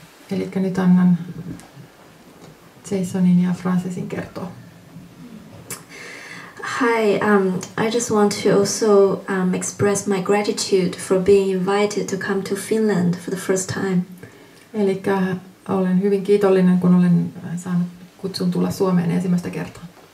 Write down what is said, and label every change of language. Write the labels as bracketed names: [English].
[Finnish] Elikkä nyt annan Jasonin ja Francisin kertoa. [English] Hi, I just want to also express my gratitude for being invited to come to Finland for the first time. [Finnish] Elikkä olen hyvin kiitollinen, kun olen saanut kutsun tulla Suomeen ensimmäistä kertaa.